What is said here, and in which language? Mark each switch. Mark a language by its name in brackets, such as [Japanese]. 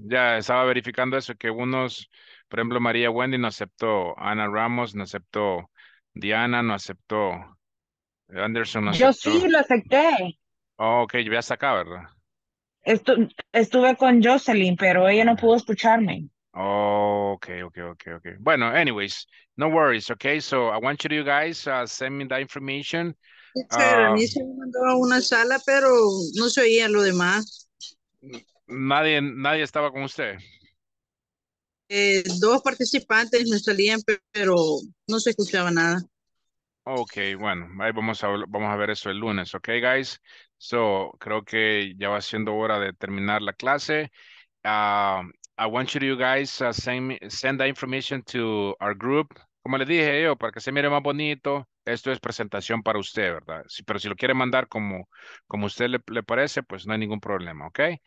[Spanish] Ya estaba verificando eso que unos, por ejemplo, María Wendy no aceptó, Ana Ramos no aceptó, Diana no aceptó, Anderson no aceptó. Yo sí lo acepté. Oh, okay, yo ya está acá, ¿verdad? Estuve con Jocelyn, pero ella no pudo escucharme. [English] Okay. Bueno, anyways, no worries, okay? So I want you to, you guys, send me that information. [Spanish] Se me mandó a una sala, pero no se oía lo demás. Nadie estaba con usted. Dos participantes me salían, pero no se escuchaba nada. Okay, bueno, ahí vamos a ver eso el lunes, [English] okay, guys? [Spanish] So creo que ya va siendo hora de terminar la clase. [English] I want you guys to send that information to our group. [Spanish] Como le dije yo, para que se mire más bonito, esto es presentación para usted, ¿verdad? Pero si lo quiere mandar como usted le parece, pues no hay ningún problema, ¿ok?